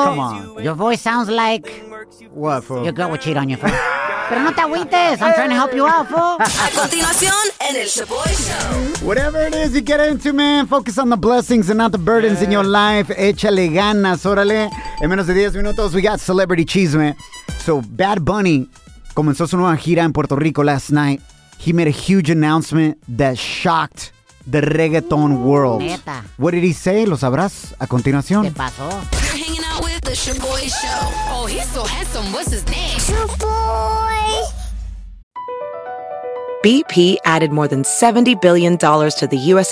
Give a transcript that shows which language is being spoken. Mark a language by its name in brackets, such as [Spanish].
[English] come on. Your voice sounds like... What, fool? Your girl would cheat on you, fool. [Spanish] Pero no te agüites. [English] I'm trying to help you out, fool. [Spanish] A continuación, en el Shaboy Show. [English] Whatever it is you get into, man, focus on the blessings and not the burdens in your life. [Spanish] Échale ganas, órale. En menos de 10 minutos, [English] we got celebrity chisme. [Spanish] So, Bad Bunny comenzó su nueva gira en Puerto Rico [English] last night. He made a huge announcement that shocked the reggaeton world. [Spanish] Neta. [English] What did he say? [Spanish] Lo sabrás a continuación. ¿Qué pasó? [English] You're hanging out with the Shaboy Show. Oh, he's so handsome. What's his name? Shaboy. BP added more than $70 billion to the U.S.